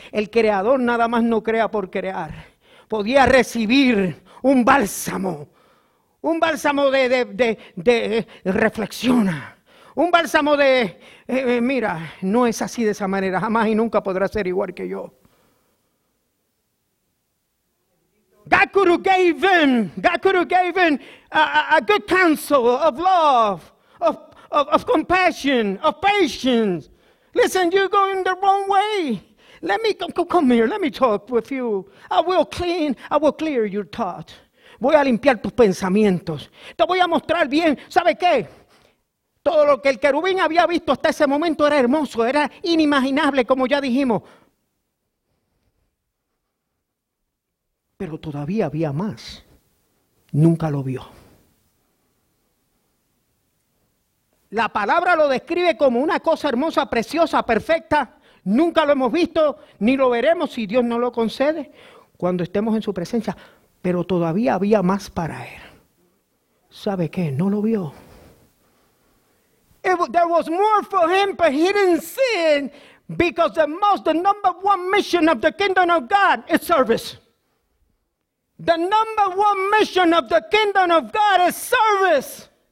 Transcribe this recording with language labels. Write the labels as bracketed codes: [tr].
[es] El Creador nada más no crea por crear. Podía recibir un bálsamo de reflexiona, un bálsamo de, mira, no es así de esa manera, jamás y nunca podrá ser igual que yo. [en] God could have given a good counsel of love, of compassion, of patience. Listen, you're going the wrong way. Let me come here. Let me talk with you. I will clear your thought. [es] Voy a limpiar tus pensamientos. Te voy a mostrar bien. ¿Sabe qué? Todo lo que el querubín había visto hasta ese momento era hermoso, era inimaginable, como ya dijimos. Pero todavía había más. Nunca lo vio. La palabra lo describe como una cosa hermosa, preciosa, perfecta. Nunca lo hemos visto, ni lo veremos si Dios no lo concede cuando estemos en su presencia. Pero todavía había más para él. ¿Sabe qué? No lo vio. [en] There was more for him, but he didn't see it because the number one mission of the kingdom of God is service. The number one mission of the kingdom of God is service.